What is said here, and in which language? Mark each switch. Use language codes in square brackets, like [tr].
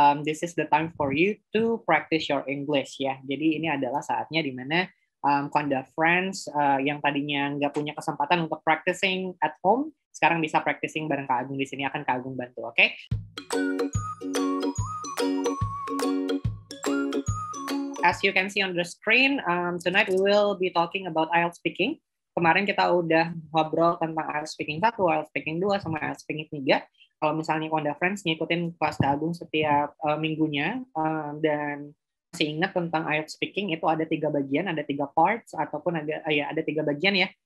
[en] This is the time for you to practice your English ya. [id] Jadi ini adalah saatnya di mana Kwanda friends yang tadinya nggak punya kesempatan untuk [en] practicing at home, [id] sekarang bisa practicing bareng Kak Agung di sini, akan Kak Agung bantu, oke? [en] As you can see on the screen, tonight we will be talking about IELTS speaking. [id] Kemarin kita udah ngobrol tentang IELTS speaking 1, IELTS speaking 2, sama IELTS speaking 3. Kalau misalnya Kwanda friends ngikutin kelas Kak Agung setiap minggunya, dan masih ingat tentang IELTS speaking, itu ada 3 bagian, ada [en] 3 parts, [id] ataupun ada 3 bagian ya.